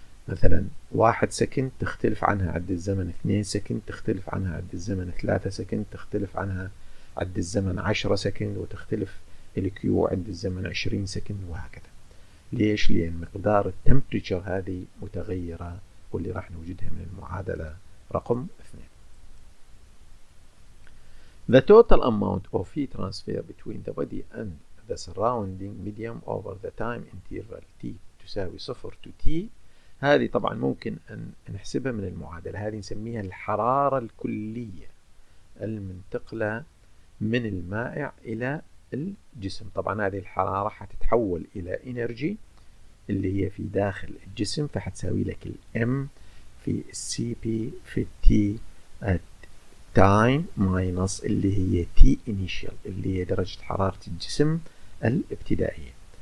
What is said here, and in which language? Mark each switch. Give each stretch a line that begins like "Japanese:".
Arabic: مثلا 1 سكند تختلف عنها عد الزمن، 2 سكند تختلف عنها عد الزمن، 3 سكند تختلف عنها عد الزمن، 10 سكند وتختلف الكيو عند الزمن 20 سكند وهكذا. ليش؟ لأن مقدار التمبريتشر هذه متغيرة، واللي راح نوجدها من المعادلة رقم 2.
English: The total amount of heat transfer between the body and the surrounding medium over the time interval t
Arabic: تساوي
English: 0 to t.
Arabic: هذه طبعا ممكن أن نحسبها من المعادلة، هذه نسميها الحرارة الكلية المنتقلة من المائع إلى الجسم. طبعا هذه الحرارة حتتحول إلى إنرجي اللي هي في داخل الجسم، فحتساوي لك الـ M في الـ CP في الـ T at time minus اللي هي T initial اللي هي درجة حرارة الجسم الابتدائية.